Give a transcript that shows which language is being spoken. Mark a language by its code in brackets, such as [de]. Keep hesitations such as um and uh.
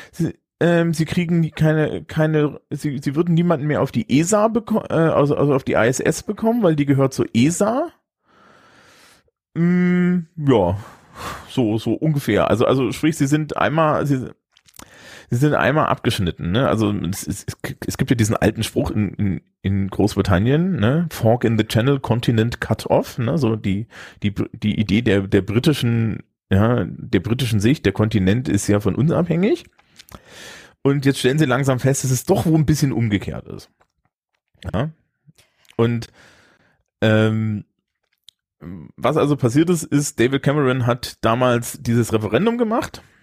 [de] Sie, ähm, sie kriegen keine, keine, sie, sie würden niemanden mehr auf die ESA bekommen, äh, also, also auf die ISS bekommen, weil die gehört zur ESA. Mm, ja, so, so ungefähr. Also, also sprich, sie sind einmal, sie, sie sind einmal abgeschnitten. Ne? Also es, ist, es gibt ja diesen alten Spruch in, in, in Großbritannien, ne? [en] Fork in the Channel, Continent Cut Off. [de] Ne? So die, die, die Idee der, der britischen, ja, der britischen Sicht, der Kontinent ist ja von uns abhängig. Und jetzt stellen sie langsam fest, dass es doch wo ein bisschen umgekehrt ist. Ja. Und ähm, was also passiert ist, ist, David Cameron hat damals dieses Referendum gemacht.